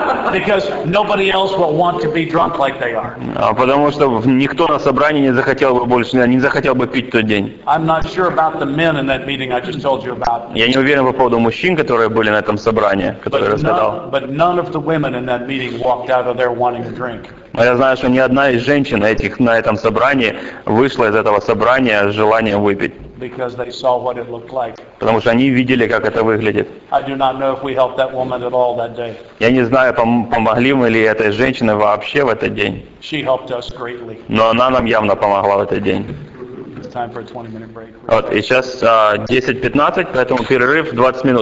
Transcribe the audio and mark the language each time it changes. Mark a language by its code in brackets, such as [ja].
[en] Because nobody else will want to be drunk like they are. [ru] Потому что никто на собрании не захотел бы больше, не захотел бы пить тот день. [en] I'm not sure about the men in that meeting I just told you about. [ru] Я не уверен по поводу мужчин, которые были на этом собрании, которые рассказал. [en] But none of the women in that meeting walked out of there wanting to drink. [ru] Но я знаю, что ни одна из женщин этих на этом собрании вышла из этого собрания с желанием выпить. [en] Because they saw what it looked like. [ru] Потому что они видели, как это выглядит. [en] I do not know if we helped that woman at all that day. [ru] Я не знаю, помогли мы ли этой женщине вообще в этот день. [en] She helped us greatly. [ru] Но она нам явно помогла в этот день. [en] It's time for a 20-minute break. [ru] Вот, и сейчас 10:15, поэтому перерыв 20 минут.